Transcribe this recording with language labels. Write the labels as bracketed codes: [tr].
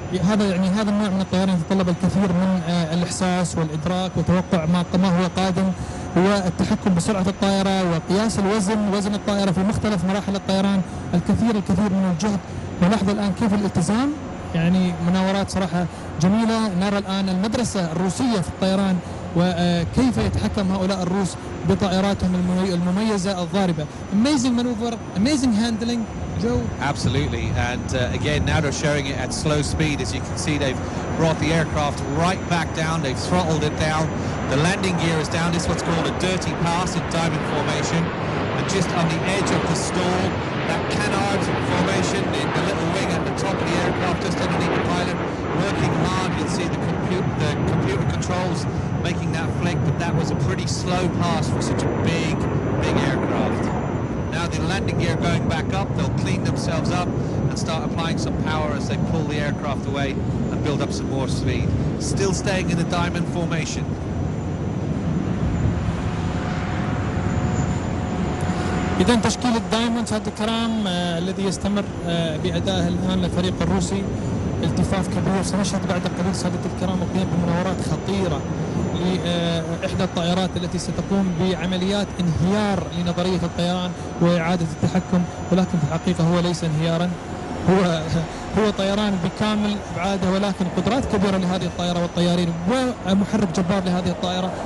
[ar] هذا يعني هذا النوع من الطيران يتطلب الكثير من الإحساس والإدراك وتوقع ما هو قادم، والتحكم بسرعة الطائرة وقياس الوزن، وزن الطائرة في مختلف مراحل الطيران، الكثير الكثير من الجهد. ولاحظوا الآن كيف الالتزام، يعني مناورات صراحة جميلة. نرى الآن المدرسة الروسية في الطيران وكيف يتحكم هؤلاء الروس بطائراتهم المميزة الضاربة. [en] Amazing maneuver, amazing handling, Joe. Absolutely, and again now they're showing it at slow speed. As you can see, they've brought the aircraft right back down, they've throttled it down, the landing gear is down. This is what's called a dirty pass in diamond formation, and just on the edge of the stall, that canard formation in the little wing at the top of the aircraft, just underneath the pilot, working hard. You can see the computer controls making that flick, but that was a pretty slow pass for such a big aircraft. Now the landing gear going back up, they'll clean themselves up and start applying some power as they pull the aircraft away and build up some more speed. Still staying in the diamond formation. [ar] إذن تشكيل الدايموند سادة الكرام الذي يستمر بأدائه الآن للفريق الروسي، التفاف كبير. سنشهد بعد قليل سادة الكرام القيام بمناورات خطيرة لإحدى الطائرات التي ستقوم بعمليات انهيار لنظرية الطيران وإعادة التحكم، ولكن في الحقيقة هو ليس انهيارا، هو طيران بكامل إبعاده، ولكن قدرات كبيرة لهذه الطائرة والطيارين ومحرك جبار لهذه الطائرة.